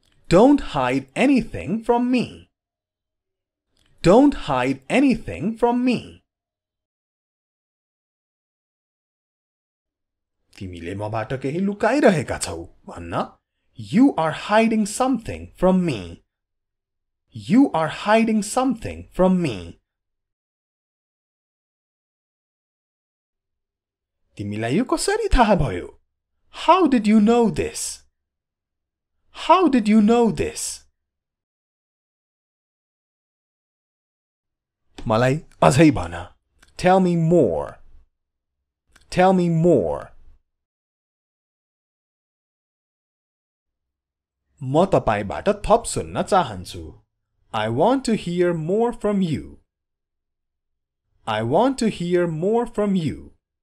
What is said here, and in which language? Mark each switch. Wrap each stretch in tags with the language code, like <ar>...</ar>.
<en>Don't hide anything from me. Don't hide anything from me.</en> <ne>तिमीले मबाट केही लुकाइरहेका छौ. भन्न?</ne> <en>You are hiding something from me. You are hiding something from me.</en> <ne>तिमीलाई यो कसरी थाहा भयो?</ne> <en>How did you know this? How did you know this?</en> <ne>मलाई अझै भन.</ne> <en>Tell me more. Tell me more.</en> <ne>म तपाईबाट थप सुन्न चाहन्छु.</ne> <en>I want to hear more from you. I want to hear more from you.</en>